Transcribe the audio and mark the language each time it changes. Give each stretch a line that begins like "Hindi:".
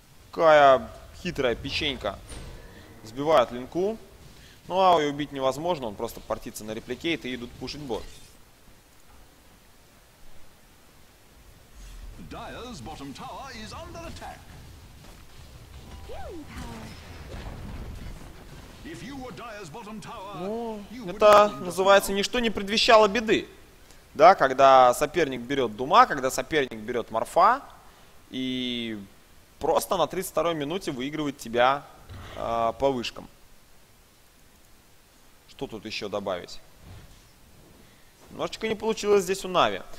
Russian: Какая хитрая печенька. Сбивают Линку. Ну, Ауи убить невозможно, он просто портится на репликейт и идут пушить бот.
English: Dire's bottom tower is under attack. If you were Dire's bottom tower, you would...
Russian: Это называется «Ничто не предвещало беды». Да, когда соперник берет Дума, когда соперник берет Морфа и просто на 32-й минуте выигрывает тебя по вышкам. Что тут еще добавить? Немножечко не получилось здесь у Нави.